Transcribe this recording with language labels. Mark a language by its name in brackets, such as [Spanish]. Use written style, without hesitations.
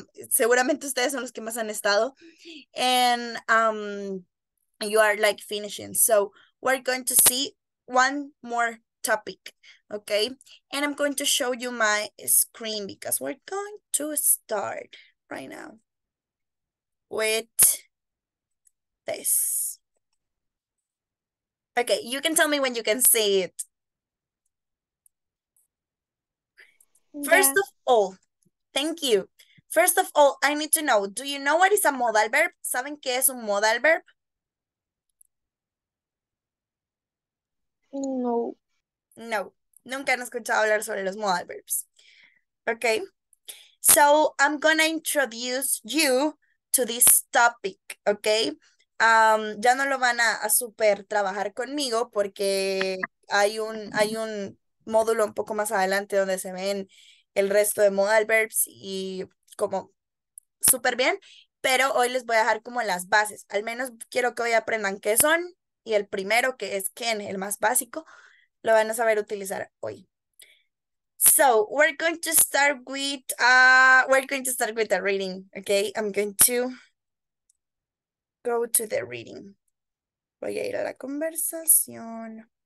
[Spanish] Seguramente ustedes son los que más han estado. [English] And you are like finishing. So we're going to see one more topic. Okay, and I'm going to show you my screen because we're going to start right now with this. Okay, you can tell me when you can see it. First of Yes. all, thank you. First of all, I need to know, do you know what is a modal verb? [Spanish] ¿Saben qué es un modal verb? No. No. Nunca han escuchado hablar sobre los modal verbs. [English] Okay. So I'm gonna introduce you to this topic. Okay. [Spanish] Ya no lo van a super trabajar conmigo porque hay un módulo un poco más adelante donde se ven el resto de modal verbs y como súper bien. Pero hoy les voy a dejar como las bases. Al menos quiero que hoy aprendan qué son y el primero que es can, el más básico. Lo van a saber utilizar hoy. [English] So, we're going to start with the reading, okay? I'm going to go to the reading. [Spanish] Voy a ir a la conversación.